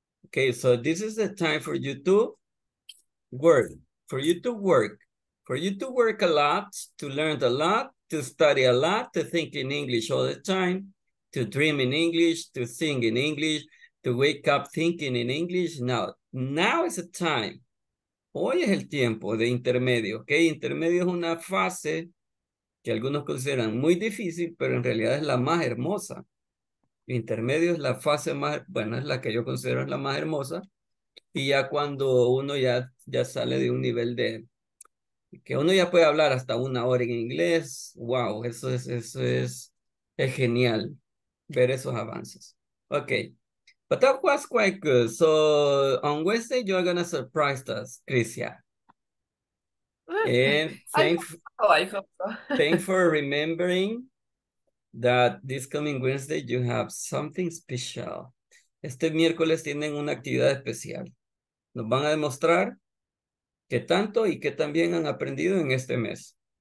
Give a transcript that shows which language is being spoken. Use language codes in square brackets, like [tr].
[en] Okay, so this is the time for you to work, a lot, to learn a lot, to study a lot, to think in English all the time, to dream in English, to sing in English, to wake up thinking in English. Now is the time. [es] Hoy es el tiempo de intermedio, okay? Intermedio es una fase que algunos consideran muy difícil, pero en realidad es la más hermosa. Intermedio es la fase más, bueno, es la que yo considero la más hermosa. Y ya cuando uno ya sale de un nivel de... Que uno ya puede hablar hasta una hora en inglés. Wow, eso es genial ver esos avances. [en] Okay, but that was quite good. So on Wednesday, you're going to surprise us, Crisia. And thanks for remembering that this coming Wednesday, you have something special. [es] Este miércoles tienen una actividad especial. Nos van a demostrar que tanto y que también han aprendido en este mes.